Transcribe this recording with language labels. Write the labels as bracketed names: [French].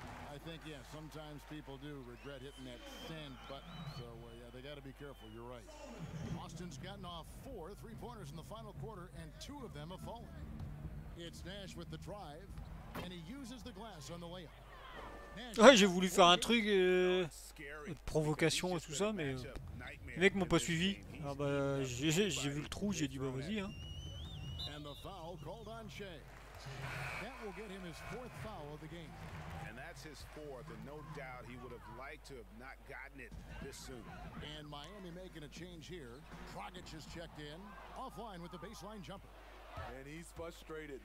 [English] I think, yeah, sometimes people do regret hitting that send button. So, yeah, they got to be careful. You're right. Austin's gotten off 4 3-pointers in the final quarter, and 2 of them have fallen. It's Nash with the drive, and he uses the glass on the layup. [French] Ouais, j'ai voulu faire un truc de provocation et tout ça, mais les mecs m'ont pas suivi. Alors, bah, j'ai vu le trou, j'ai dit, bah, vas-y. [English] And the foul called on Shea. That will get him his 4th foul of the game. And that's his 4th, and no doubt he would have liked to have not gotten it this soon. And Miami making a change here. Krogic has checked in, offline with the baseline jumper. And he's frustrated.